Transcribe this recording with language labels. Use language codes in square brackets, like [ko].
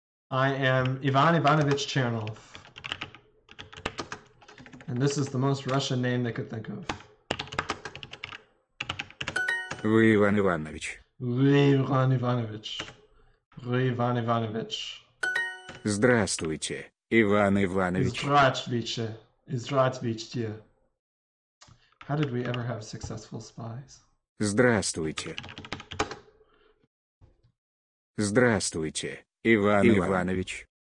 [en] I am Иван Иванович Чернов. And this is the most Russian name they could think of. [ru] Вы Иван Иванович. Вы Иван Иванович. Вы Иван Иванович. Здравствуйте, Иван Иванович. Здравствуйте. Здравствуйте. [en] How did we ever have successful spies? [ru] Здравствуйте. Здравствуйте, Иван Иванович.